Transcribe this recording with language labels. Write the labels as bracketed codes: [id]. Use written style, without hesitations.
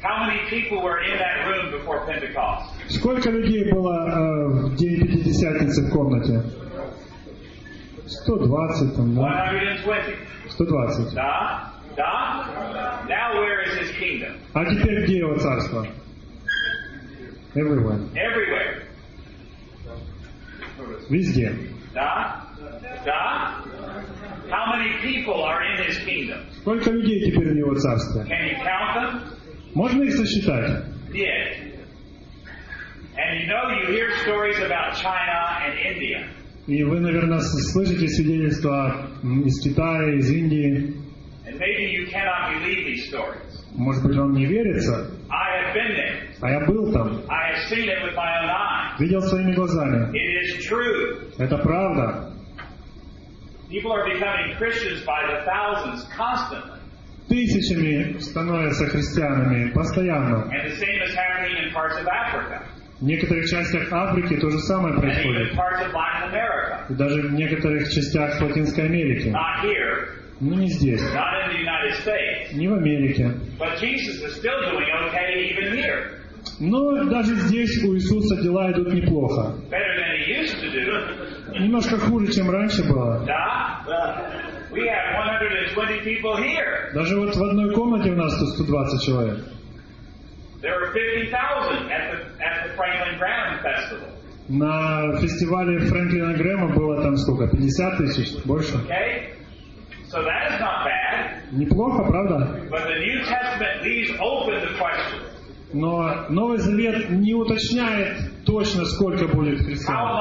[en] How many people were in that room before Pentecost? [ru] Сколько людей было в день Пятидесятницы в комнате? 120 там, да? 120. Да? Да? [en] Now where is his kingdom? [ru] А теперь где его царство? [en] Everywhere. Everywhere. [ru] Везде. Да? Да? [en] How many people are in his kingdom? [ru] Сколько людей теперь в его царстве? [en] Can you count them? [ru] Можно их сосчитать? [en] Yes. And you know you hear stories about China and India. [ru] И вы, наверное, слышите свидетельства из Китая, из Индии. [en] And maybe you cannot believe these stories. [ru] Может быть, вам не верится? [en] I have been there. [ru] А я был там. [en] I have seen it with my own eyes. [ru] Видел своими глазами. [en] It is true. [ru] Это правда. [en] People are becoming Christians by the thousands constantly. [ru] Тысячами становятся христианами постоянно. [en] And the same is happening in parts of Africa. [ru] В некоторых частях Африки то же самое происходит. [en] And parts of Latin America. [ru] И даже в некоторых частях Латинской Америки. [en] Not here. [ru] Ну, не здесь. [en] Not in the United States. [ru] Не в Америке. [en] But Jesus is still doing okay even here. [ru] Но даже здесь у Иисуса дела идут неплохо. [en] Better than he used to do. [ru] Немножко хуже, чем раньше было. Да? [en] We have 120 people here. [ru] Даже вот в одной комнате у нас тут 120 человек. [en] There were 50,000 at the Franklin Graham Festival. [ru] На фестивале Франклина Грэма было там сколько? 50 тысяч? Больше? [en] Okay. So that is not bad. [ru] Неплохо, правда? [en] But the New Testament leaves open the question. [ru] Но Новый Завет не уточняет точно, сколько будет христиан.